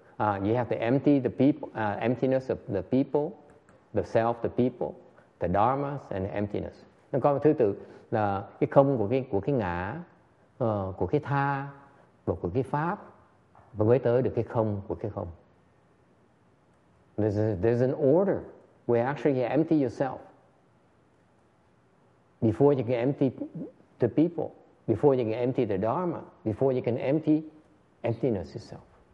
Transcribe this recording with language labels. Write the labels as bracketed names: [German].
[English] You have to empty the people, emptiness of the people, the self, the people, the dharmas and the emptiness. [Vietnamese] Nó có một thứ tự là cái không của cái ngã, của cái tha và của cái pháp và mới tới được cái không của cái không. [English] There's an order where actually you empty yourself before you can empty the people. Before you can empty the Dharma, before you can emptiness itself.